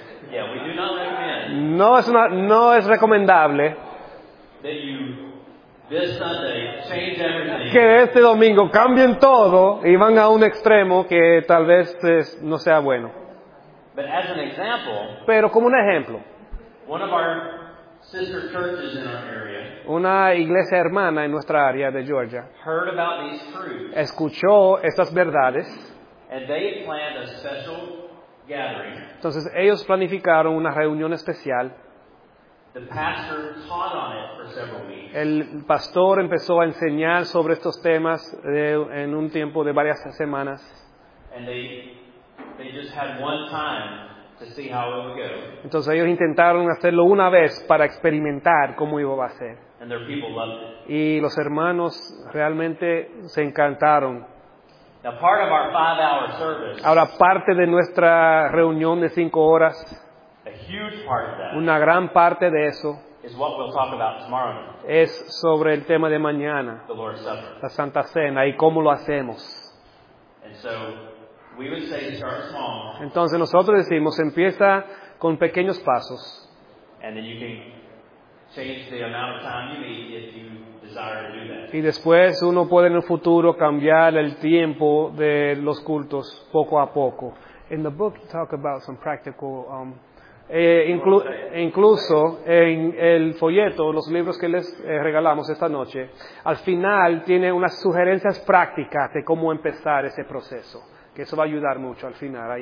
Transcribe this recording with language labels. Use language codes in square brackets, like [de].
[en] Yeah, we do not recommend. [es] No es recomendable [en] that you this Sunday change everything. [es] Que este domingo cambien todo y van a un extremo que tal vez no sea bueno. [en] But as an example, [es] pero como un ejemplo, [en] one of our sister churches in our area, [es] una iglesia hermana en nuestra área de Georgia, [en] heard about these truths, [es] escuchó estas verdades, [en] and they planned a special gathering. [es] Entonces ellos planificaron una reunión especial. [en] The pastor taught on it for several weeks. [es] El pastor empezó a enseñar sobre estos temas en un tiempo de varias semanas. [en] And they just had one time to see how it would go. [es] Entonces ellos intentaron hacerlo una vez para experimentar cómo iba a ser. [en] And their people loved it. [es] Y los hermanos realmente se encantaron. [en] Now, part of our 5-hour service, [es] ahora, parte de nuestra reunión de 5 horas, [en] a huge part of that, [es] una gran parte de eso, [en] is what we'll talk about tomorrow, [es] es sobre el tema de mañana, [en] the Lord's Supper, [es] la Santa Cena y cómo lo hacemos. [en] And so, we would say start small. [es] Entonces nosotros decimos, empieza con pequeños pasos. [en] And then you can change the amount of time you need if you desire to do that. [es] Y después uno puede en el futuro cambiar el tiempo de los cultos poco a poco. [en] In the book, you talk about some practical [es] incluso en el folleto, los libros que les regalamos esta noche, al final tiene unas sugerencias prácticas de cómo empezar ese proceso, que eso va a ayudar mucho al final.